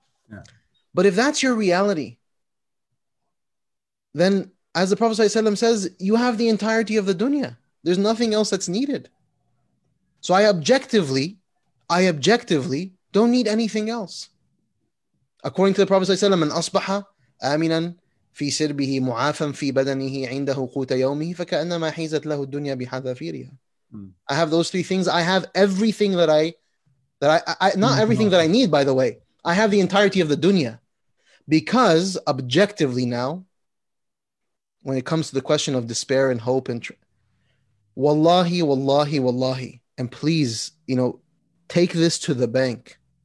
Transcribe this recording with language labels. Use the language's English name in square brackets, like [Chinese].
[English] Yeah. But if that's your reality, then as the Prophet ﷺ says, you have the entirety of the dunya. There's nothing else that's needed. So I objectively don't need anything else. According to the Prophet ﷺ, [Arabic] an asbaha aminan, في سربه معافا في بدنه عنده قوت يومه فكأنما حيزت له الدنيا بحذافيرها. [English] I have those three things. I have everything everything that I need, by the way. I have the entirety of the dunya. Because objectively now, when it comes to the question of despair and hope and wallahi, wallahi, wallahi, and please, you know, take this to the bank.